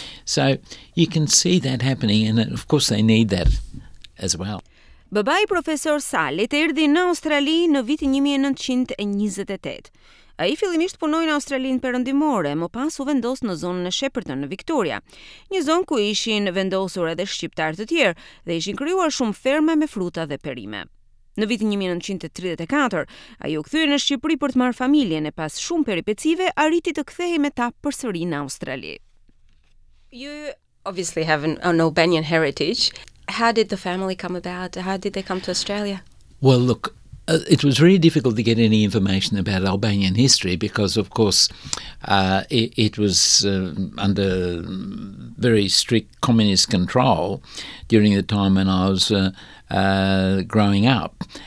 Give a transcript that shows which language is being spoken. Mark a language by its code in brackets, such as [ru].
[en] So you can see that happening, and of course they need that as well. [sq] Baba i profesor Salit erdhi në Australi në vitin 1928. Ai fillimisht punoi në Australinë Perëndimore, më pas u vendos në zonën e Shepparton në Victoria, një zonë ku ishin vendosur edhe shqiptarë të tjerë dhe ishin krijuar shumë ferma me fruta dhe perime. Në vitin 1934, ai u kthye në Shqipëri për të marrë familjen e pas shumë peripecive arriti të kthehej me ta përsëri në Australi. [en] You obviously have an Albanian heritage. How did the family come about? How did they come to Australia? Well, look, it was really difficult to get any information about Albanian history because, of course, it was under very strict communist control during the time when I was growing up.